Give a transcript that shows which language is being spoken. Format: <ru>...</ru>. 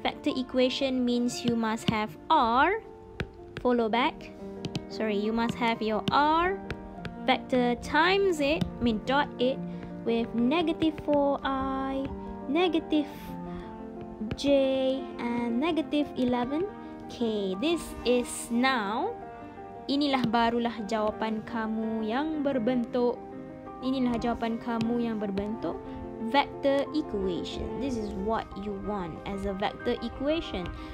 <en>Vector equation means you must have R. Follow back. Sorry, you must have your R vector times it, I mean dot it, with negative 4i, negative j and negative 11k. This is now.</en> <ms>Inilah barulah jawapan kamu yang berbentuk. Inilah jawapan kamu yang berbentuk vector equation.</ms> <en>This is what you want as a vector equation.</en>